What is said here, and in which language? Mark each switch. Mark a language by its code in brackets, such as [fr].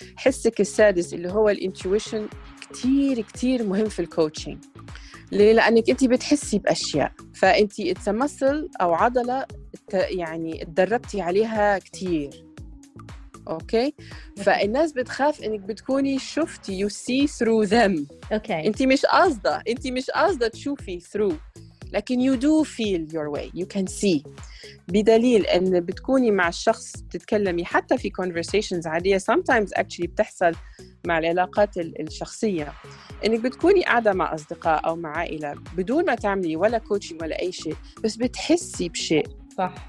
[ar] حسك السادس اللي هو الانتويشن كتير كتير مهم في الكوتشينج، ليه؟ لأنك أنت بتحسي بأشياء، فأنت [en] it's a muscle [ar] أو عضلة يعني اتدربتي عليها كتير. أوكي. فالناس بتخاف أنك بتكوني شفتي [en] you see through them. [ar] أوكي. أنت مش قصدة تشوفي [en] through، لكن you do feel your way, you can see. [ar] بدليل أن بتكوني مع الشخص بتتكلمي حتى في conversations عادية، [en] sometimes actually [ar] بتحصل مع العلاقات الشخصية، أنك بتكوني قاعدة مع أصدقاء أو مع عائلة بدون ما تعملي ولا coaching ولا أي شيء، بس بتحسي بشيء. صح.